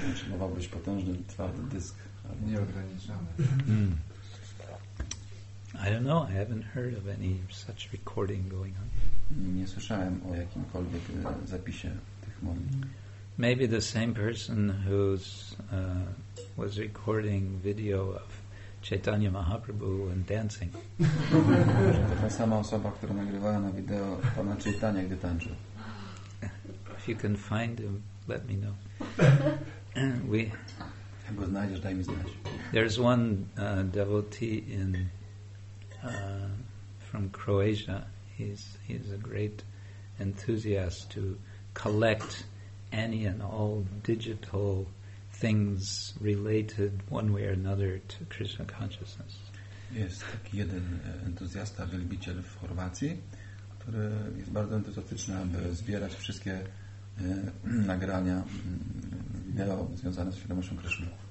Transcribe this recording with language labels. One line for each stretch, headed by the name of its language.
Polish: mogłabyś potężny twardy dysk, ale nieograniczony.
English: I don't know, I haven't heard of any such recording going on.
Polish: Nie słyszałem o jakimkolwiek zapisie tych modlitw.
English: Maybe the same person who's was recording video of Chaitanya Mahaprabhu and dancing.
Polish: Ta sama osoba, która nagrywała na wideo pana Chaitanya, gdy tańczył.
English: If you can find him, let me know.
Polish: Jak go znajdziesz, daj mi znać.
English: There's one devotee in from Croatia. He's a great enthusiast to collect any and all digital things related one way or another to Krishna consciousness.
Polish: Jest taki jeden entuzjasta, wielbiciel w Chorwacji, który jest bardzo entuzjastyczny, aby zbierać wszystkie nagrania wideo związane z świadomością Krishna.